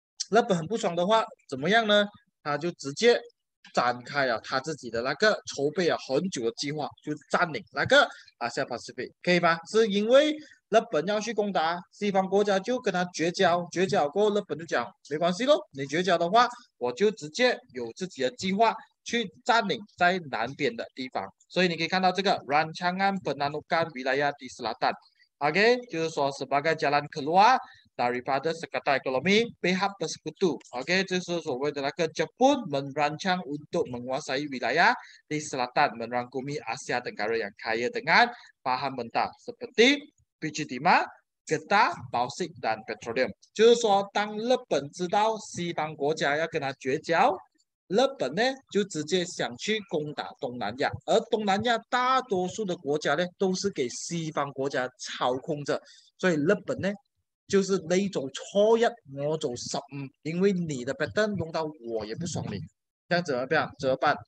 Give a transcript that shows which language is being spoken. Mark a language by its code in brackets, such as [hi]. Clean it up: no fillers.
[zh] 日本很不爽的话，怎么样呢？他就直接展开了他自己的那个筹备了很久的计划，就占领那个 ASEAN Pacific，可以吧？是因为日本要去攻打西方国家，就跟他绝交，绝交过后，日本就讲没关系喽，你绝交的话，我就直接有自己的计划去占领在南边的地方。所以你可以看到这个 [ms] Rancangan Penanggungan Wilayah di Selatan，OK， [zh] 就是说 [ms] sebagai jalan keluar daripada sekatan ekonomi pihak bersekutu，OK， [zh] 就是所谓的那个 [ms] Jepun merancang untuk menguasai wilayah di selatan merangkumi Asia Tenggara yang kaya dengan bahan mentah seperti biji timah, getah, bauksit, dan petroleum. [zh] 就是说，当日本知道西方国家要跟他绝交，日本呢就直接想去攻打东南亚，而东南亚大多数的国家呢都是给西方国家操控着，所以日本呢就是那一种错一，我走十五，因为你的 pattern 弄到我也不爽你，这样怎么办？怎么办？